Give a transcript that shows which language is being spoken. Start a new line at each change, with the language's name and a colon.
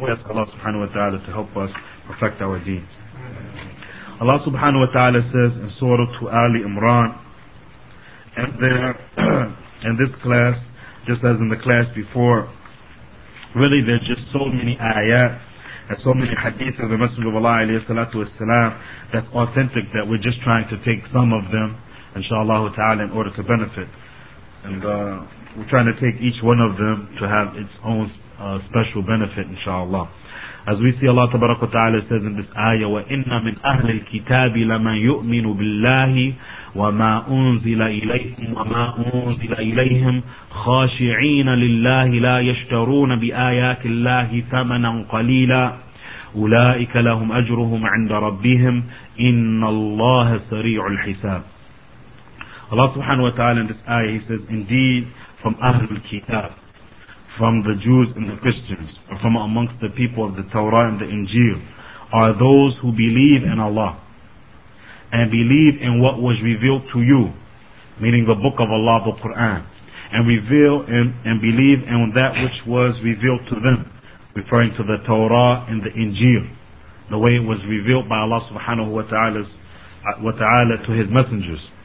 English: We ask Allah subhanahu wa ta'ala to help us perfect our deen. Allah subhanahu wa ta'ala says in Surah to Ali Imran, and there, in this class, just as in the class before, really there's just so many ayat and so many hadith of the Messenger of Allah alayhi salatu wasalam that's authentic, that we're just trying to take some of them, inshallah ta'ala, in order to benefit. And we're trying to take each one of them to have its own special benefit, inshallah. As we see, Allah tabaraka wa ta'ala says in this ayah,
Arabic: وَإِنَّ مِنْ أَهْلِ الْكِتَابِ لَمَنْ يُؤْمِنُ بِاللَّهِ وَمَا أُنزِلَ إِلَيْكُمْ وَمَا أُنزِلَ إِلَيْهِمْ خَاشِعِينَ لِلَّهِ لَا يَشْتَرُونَ بِآيَاتِ اللَّهِ ثَمَنًا قَلِيلًا أُولَئِكَ لَهُمْ أَجْرُهُمْ عِنْدَ رَبِّهِمْ إِنَّ اللَّهَ سَرِيعُ الْحِسَابِ.
English: Allah subhanahu wa ta'ala in this ayah, he says, indeed, from Ahlul Kitab, from the Jews and the Christians, or from amongst the people of the Torah and the Injil, are those who believe in Allah and believe in what was revealed to you, meaning the book of Allah, the Quran, and reveal and believe in that which was revealed to them, referring to the Torah and the Injil, the way it was revealed by Allah subhanahu wa ta'ala to His messengers.